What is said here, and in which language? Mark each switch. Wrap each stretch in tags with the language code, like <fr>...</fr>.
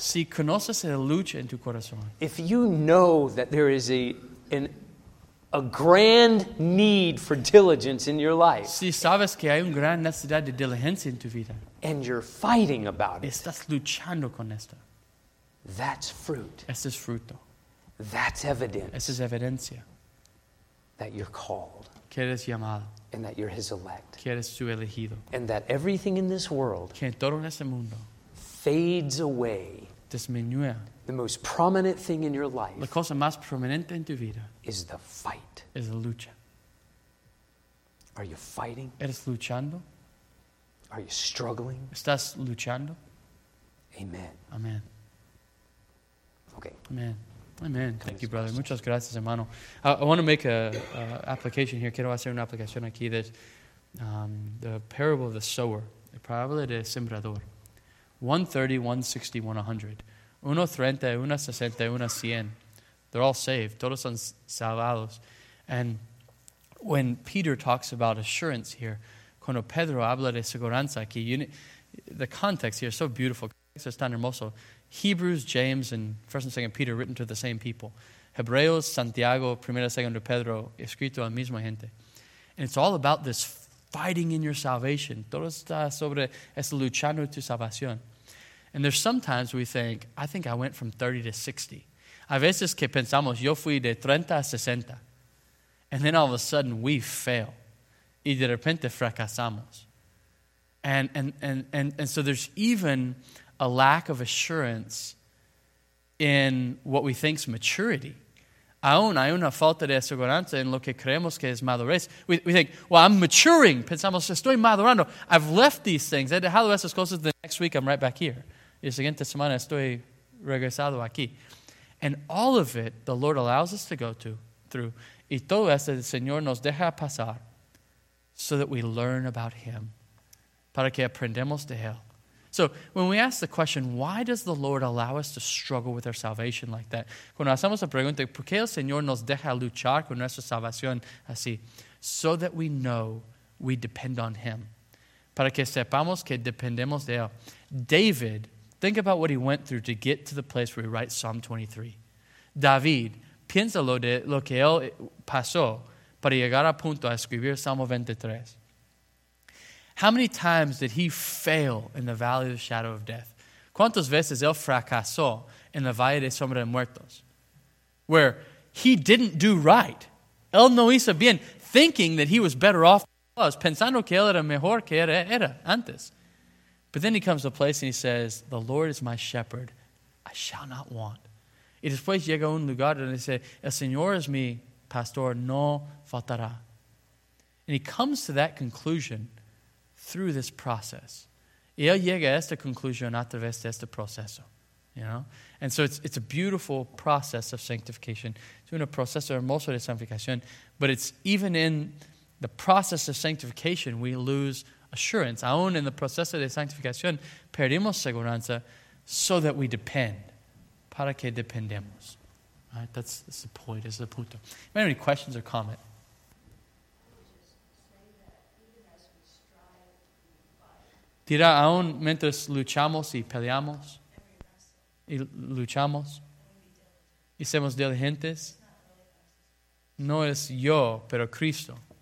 <es>Si conoces la lucha en tu corazón.</es> <en>If you know that there is a grand need for diligence in your life.</en> <es>Si sabes que hay una gran necesidad de diligencia en tu vida.</es> <en>And you're fighting about it.</en> <es>Estás luchando con esto.</es> <en>That's fruit.</en> <es>Eso es fruto.</es> <en>That's evidence.</en> <es>Esa es evidencia.</es> <en>That you're called.</en> <es>Que eres llamado.</es> <en>And that you're His elect.</en> <es>Que eres su elegido.</es> <en>And that everything in this world.</en> <es>Que todo en este mundo.</es> <en>Fades away.</en> <es>Disminuye.</es> <en>The most prominent thing in your life.</en> <es>La cosa más prominente en tu vida.</es> <en>Is the fight.</en> <es>Es la lucha.</es> <en>Are you fighting?</en> <es>Eres luchando.</es> <en>Are you struggling?</en> <es>Estás luchando. Amen. Amen.</es> <en>Okay. Amen. Amen. Thank you, brother.</en> <es>Muchas gracias, hermano.</es> <en>I want to make an application here.</en> <es>Quiero hacer una aplicación aquí de</es> <en>the parable of the sower, the parable</en> <es>del sembrador.</es> <en>130, 160, 100. 130, 160, 100. They're all saved.</en> <es>Todos son salvados.</es> <en>And when Peter talks about assurance here,</en> <es>cuando Pedro habla de seguridad aquí,</es> <en>the context here is so beautiful. It's</en> <es>tan hermoso.</es> <en>Hebrews, James, and 1 and 2 Peter written to the same people.</en> <es>Hebreos, Santiago, 1 and 2 Pedro, escrito a la misma gente.</es> <en>And it's all about this fighting in your salvation.</en> <es>Todo está sobre ese luchando tu salvación.</es> <en>And there's sometimes we think, I think I went from 30 to 60.</en> <es>A veces que pensamos, yo fui de 30 a 60.</es> <en>And then all of a sudden we fail.</en> <es>Y de repente fracasamos.</es> <en>And so there's even a lack of assurance in what we think is maturity.</en> <es>Aún hay una falta de seguridad en lo que creemos que es madurez.</es> <en>We think, well, I'm maturing.</en> <es>Pensamos, estoy madurando.</es> <en>I've left these things.</en> <es>He dejado esas cosas.</es> <en>The next week, I'm right back here.</en> <es>Y la siguiente semana, estoy regresado aquí.</es> <en>And all of it, the Lord allows us to go through.</en> <es>Y todo eso, el Señor nos deja pasar</es> <en>so that we learn about Him.</en> <es>Para que aprendamos de Él.</es> <en>So when we ask the question, why does the Lord allow us to struggle with our salvation like that?</en> <es>Cuando hacemos la pregunta, ¿por qué el Señor nos deja luchar con nuestra salvación así?</es> <en>So that we know we depend on Him.</en> <es>Para que sepamos que dependemos de Él.</es> <en>David, think about what he went through to get to the place where he writes Psalm 23.</en> <es>David, piénsalo de lo que él pasó para llegar a punto a escribir Salmo 23.</es> <en>How many times did he fail in the valley of the shadow of death?</en> <es>¿Cuántas veces él fracasó en la valle de sombra de muertos?</es> <en>Where he didn't do right.</en> <es>Él no hizo bien,</es> <en>thinking that he was better off than he was,</en> <es>pensando que él era mejor que era antes.</es> <en>But then he comes to a place and he says, the Lord is my shepherd, I shall not want.</en> <es>Y después llega un lugar donde dice, el Señor es mi pastor, no faltará.</es> <en>And he comes to that conclusion through this process.</en> <es>Y él llega a esta conclusión a través de este proceso.</es> <en>You know? And so it's a beautiful process of sanctification.</en> <es>It's un proceso hermoso de sanctificación.</es> <en>But it's even in the process of sanctification we lose assurance.</en> <es>Aún en el proceso de sanctificación perdimos seguridad</es> <en>so that we depend.</en> <es>para que dependemos. Right?</es> <en>That's the point, is the punto. If you have any questions or comments.</en> <es>Dirá, aún mientras luchamos y peleamos y luchamos y somos diligentes, no es yo, pero Cristo.</es>